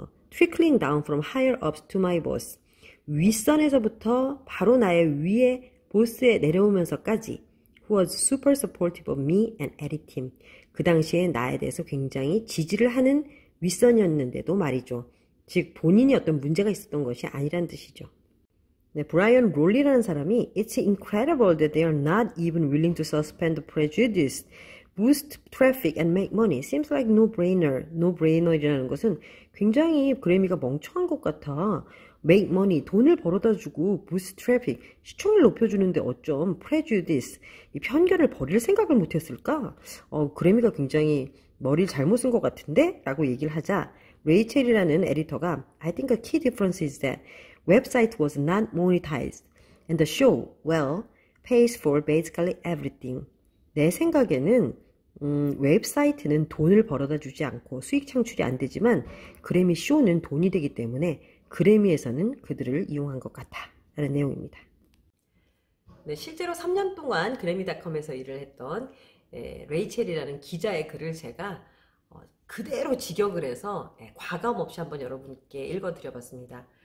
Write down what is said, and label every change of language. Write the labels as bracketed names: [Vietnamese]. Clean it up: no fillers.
[English] Trickling down from higher ups to my boss. [Korean] 윗선에서부터 바로 나의 위에 보스에 내려오면서까지 [English] who was super supportive of me and editing. [Korean] 그 당시에 나에 대해서 굉장히 지지를 하는 윗선이었는데도 말이죠. 즉, 본인이 어떤 문제가 있었던 것이 아니란 뜻이죠. 네, 브라이언 롤리라는 사람이 [English] It's incredible that they are not even willing to suspend prejudice, boost traffic and make money. Seems like no brainer. [Korean] No brainer이라는 것은 굉장히 그래미가 멍청한 것 같아. [English] Make money, [Korean] 돈을 벌어다 주고 [English] boost traffic, [Korean] 시청률 높여주는데 어쩜 prejudice, 이 편견을 버릴 생각을 못했을까? 그래미가 굉장히 머리를 잘못 쓴것 같은데? 라고 얘기를 하자. 레이첼이라는 에디터가 [English] I think a key difference is that website was not monetized and the show, well, pays for basically everything. [Korean] 내 생각에는 웹사이트는 돈을 벌어다 주지 않고 수익 창출이 안 되지만 그래미 쇼는 돈이 되기 때문에 그래미에서는 그들을 이용한 것 같다라는 내용입니다. 네, 실제로 3년 동안 그래미닷컴에서 일을 했던 레이첼이라는 기자의 글을 제가 그대로 직역을 해서 과감 없이 한번 여러분께 읽어드려봤습니다.